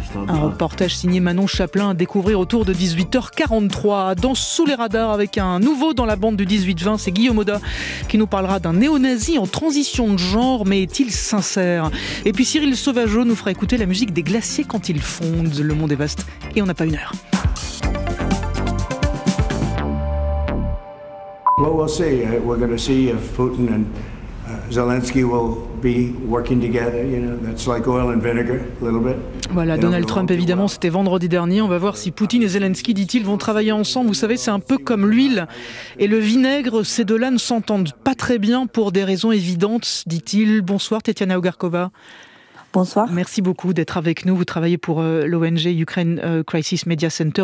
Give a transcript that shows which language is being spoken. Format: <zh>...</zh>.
<fr>Un reportage signé Manon Chaplin à découvrir autour de 18h43 dans Sous les radars avec un nouveau dans la bande du 18-20, c'est Guillaume Audat qui nous parlera d'un néo-nazi en transition de genre, mais est-il sincère? Et puis Cyril Sauvageau nous fera écouter la musique des glaciers quand ils fondent. Le monde est vaste et on n'a pas une heure.</fr> <en>Well, we'll see. We're going to see if Putin and Zelensky will be working together, you know, that's like oil and vinegar, a little bit.</en> <fr>Voilà, Donald Trump, évidemment, c'était vendredi dernier. On va voir si Poutine et Zelensky, dit-il, vont travailler ensemble. Vous savez, c'est un peu comme l'huile et le vinaigre. Ces deux-là ne s'entendent pas très bien pour des raisons évidentes, dit-il. Bonsoir, Tetiana Ogarkova. Bonsoir. Merci beaucoup d'être avec nous. Vous travaillez pour l'ONG Ukraine Crisis Media Center.</fr>